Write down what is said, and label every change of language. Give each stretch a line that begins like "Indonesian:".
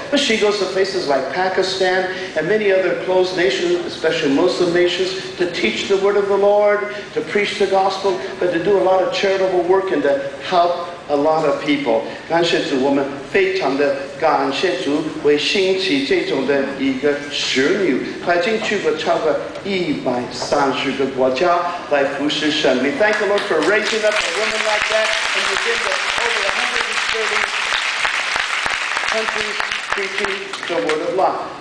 English: But she goes to places like Pakistan and many other closed nations, especially Muslim nations, to teach the word of the Lord, to preach the gospel, but to do a lot of charitable work and to help a lot of people.
Chinese: 感谢主，我们非常的感谢主，为兴起这种的一个使女，她已经去过超过130个国家来服侍神。
English: We thank the Lord for raising up a woman like that and begin to over 130 countries preaching the word of life.